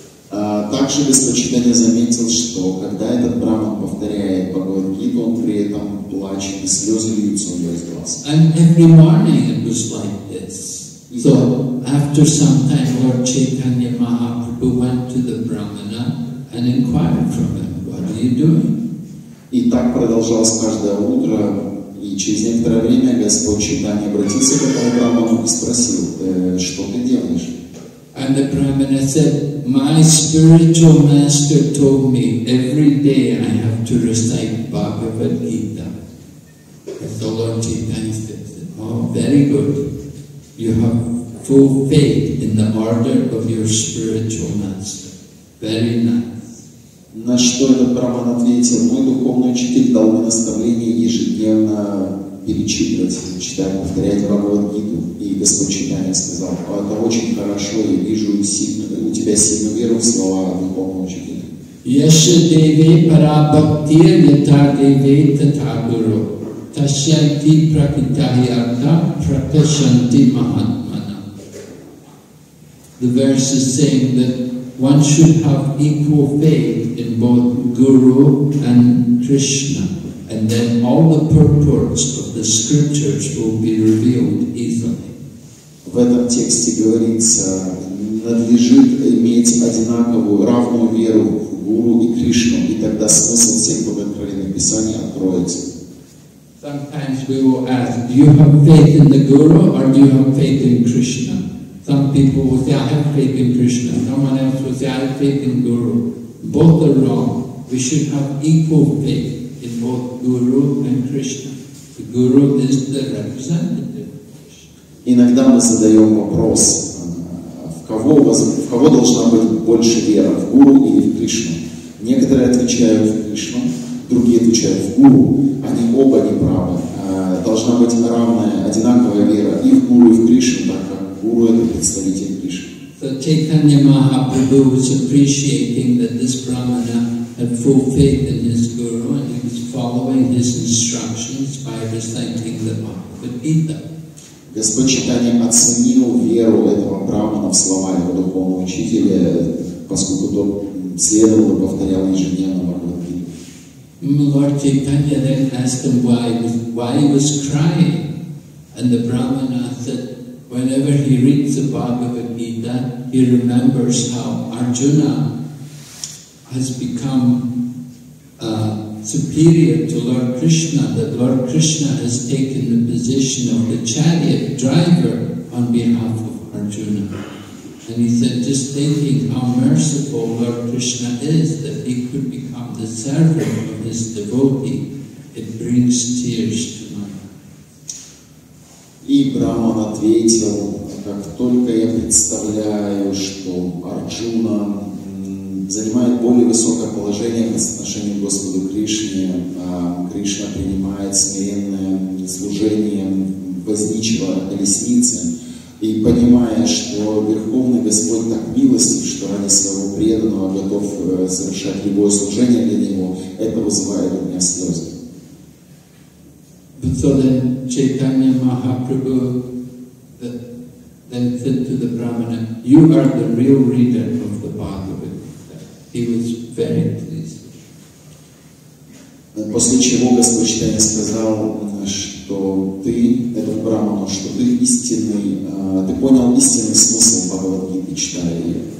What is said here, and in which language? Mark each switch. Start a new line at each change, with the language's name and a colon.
Russian: Также Господь Чайтанья заметил, что когда этот брахман повторяет Бхагавад-гиту, он при этом плачет и слезы льются у него из глаз.
English: And every morning it was like this. So after some time Lord Chaitanya Mahaprabhu went to the brahmana and inquired from him, what are you doing?
Russian: И так продолжалось каждое утро, и через некоторое время Господь Чайтанья обратился к этому брахману и спросил, что ты делаешь?
English: And the brahmana said, my spiritual master told me every day I have to recite Bhagavad Gita. And the Lord Chaitanya said, oh, very good. You have full faith in the order of your spiritual master. Very nice.
Russian: На что этот брахман ответил, мой духовный учитель дал мне наставление ежедневно перечитывать, читать, повторять Бхагавад-гиту. И Господь Чайтанья сказал, это очень хорошо, я вижу сильно, у тебя сильно веру в слова духовного учителя.
Sanskrit: Яша деве пара бхактир ята деве тата гуру таща ти пракитахи арта пракашанти махатмана.
English: The verse is saying that one should have equal faith in both Guru and Krishna. And then all the purports of the scriptures will be revealed easily.
Russian: В этом тексте говорится, надлежит иметь одинаковую, равную веру в Гуру и Кришну, и тогда смысл всех богословенных писаний откроется.
English: Sometimes we will ask, do you have faith in the Guru or do you have faith in Krishna? Some people will say, I have faith in Krishna. Someone else will say, I have faith in Guru. Both are wrong. We should have equal faith in both Guru and Krishna. The Guru is the representative.
Russian: Иногда мы задаем вопрос, в кого должна быть больше вера, в Гуру или в Кришну? Некоторые отвечают в Кришну, другие отвечают в Гуру. Они оба неправы. Должна быть равная, одинаковая вера и в Гуру, и в Кришну, так как Гуру — это представитель Кришны.
English: So Chaitanya Mahaprabhu was appreciating that this brahmana had full faith in his Guru and he was following his instructions by reciting the Bhagavad Gita.
Russian: Господь Чайтанья оценил веру этого брахмана в слова его духовного учителя, поскольку тот следовал и повторял ежедневно Бхагавад Гиту.
English: Lord Chaitanya then asked him why he was crying. And the brahmana said, whenever he reads the Bhagavad Gita, he remembers how Arjuna has become superior to Lord Krishna, that Lord Krishna has taken the position of the chariot driver on behalf of Arjuna. And he said, just thinking how merciful Lord Krishna is, that he could become the servant of his devotee, it brings tears to mind.
Russian: И Брахман ответил, как только я представляю, что Арджуна занимает более высокое положение по отношению к Господу Кришне. Кришна принимает смиренное служение возничего колесницы. И понимая, что Верховный Господь так милостив, что ради своего преданного готов совершать любое служение для Него, это вызывает у меня слезы.
English: So then Chaitanya Mahaprabhu then said to the Brahmana, you are the real reader of the Bhagavad. He was very pleased.
Russian: После чего Господь Читание сказал, что ты, этот браман, что ты истинный, ты понял истинный смысл Бхагавад-гиты, читая ее.